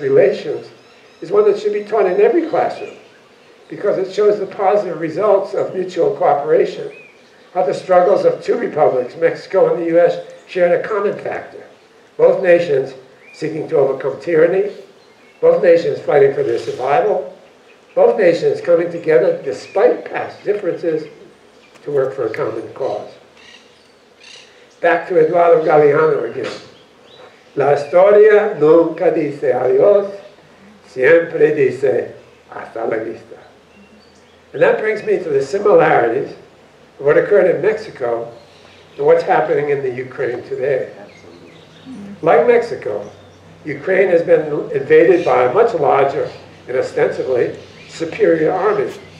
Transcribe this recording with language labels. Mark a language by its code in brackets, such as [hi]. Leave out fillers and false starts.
[en] relations is one that should be taught in every classroom because it shows the positive results of mutual cooperation, how the struggles of two republics, Mexico and the U.S., shared a common factor, both nations seeking to overcome tyranny, both nations fighting for their survival, both nations coming together despite past differences to work for a common cause. Back to Eduardo Galeano again. [es] La historia nunca dice adiós, siempre dice hasta la vista. [en] And that brings me to the similarities of what occurred in Mexico and what's happening in the Ukraine today. Like Mexico, Ukraine has been invaded by a much larger and ostensibly superior army.